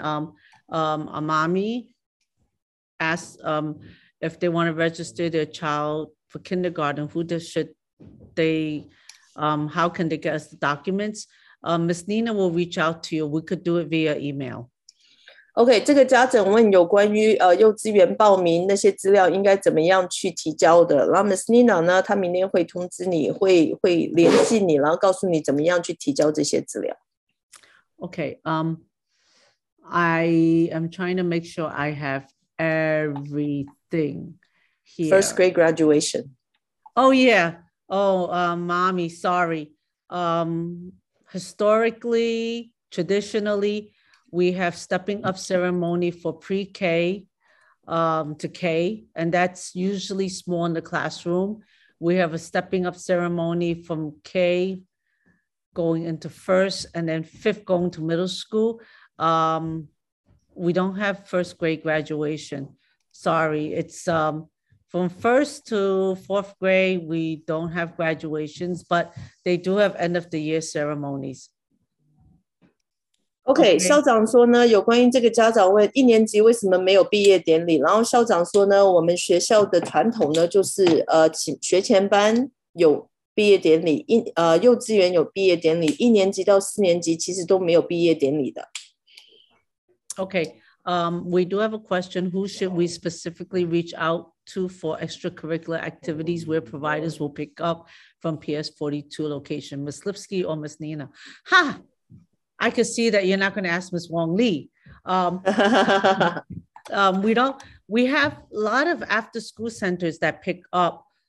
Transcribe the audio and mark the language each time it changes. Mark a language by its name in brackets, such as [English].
[English] A mommy asked if they want to register their child for kindergarten, how can they get us the documents? Miss Nina will reach out to you. We could do it via email. [Chinese] OK， 这个家长问有关于幼稚园报名那些资料应该怎么样去提交的。然后 Miss Nina 呢，她明天会通知你，会联系你，然后告诉你怎么样去提交这些资料。OK， [English] I am trying to make sure I have everything here. First grade graduation. Oh yeah. Oh, mommy, sorry. Historically, traditionally. We have stepping up ceremony for pre-K to K, and that's usually small in the classroom. We have a stepping up ceremony from K going into first and then fifth going to middle school. We don't have first grade graduation. Sorry, it's from first to fourth grade, we don't have graduations, but they do have end of the year ceremonies. [Chinese] Okay, OK， 校长说呢，有关于这个家长问，一年级为什么没有毕业典礼？然后校长说呢，我们学校的传统呢，就是请学前班有毕业典礼，幼稚园有毕业典礼，一年级到四年级其实都没有毕业典礼的。OK, [English] we do have a question. Who should we specifically reach out to for extracurricular activities where providers will pick up from PS42 location, Ms. Lipsky or Ms. Nina? Ha! I could see that you're not going to ask Ms. Wong Lee. We have a lot of after-school centers that pick up